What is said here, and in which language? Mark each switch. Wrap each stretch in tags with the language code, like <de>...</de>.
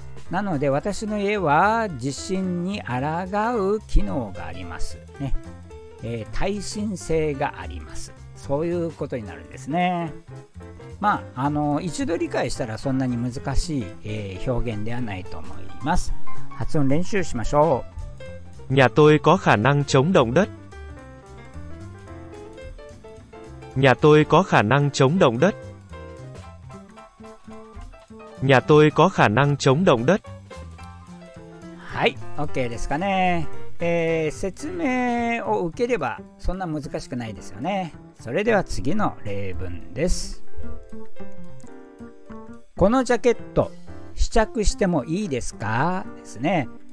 <ja>なので私の家は地震に抗う機能がありますね、耐震性があります、そういうことになるんですね。まあ、一度理解したらそんなに難しい、表現ではないと思います。発音練習しましょう。</ja> <vi>Nhà tôi có khả năng chống động đất. Nhà tôi có khả năng chống động đất. Nhà tôi có khả năng chống động đất.</vi> <ja>はい、OK ですかね。説明を受ければそんな難しくないですよね。それでは次の例文です。このジャケット試着してもいいですかですね。</ja>